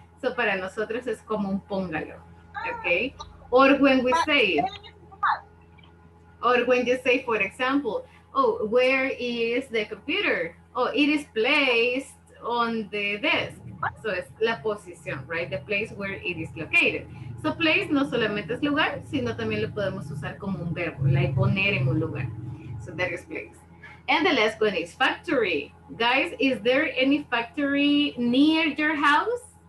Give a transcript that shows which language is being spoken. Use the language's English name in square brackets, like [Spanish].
[Spanish] So, para nosotros es como un póngalo, okay? [English] Or when we say it. Or when you say, for example, oh, where is the computer? Oh, it is placed on the desk. So, [Spanish] es la posición, [English] right? The place where it is located. [Spanish] So place no solamente es lugar, sino también lo podemos usar como un verbo, like poner en un lugar. [English] So that is place. And the last one is factory. Guys, is there any factory near your house?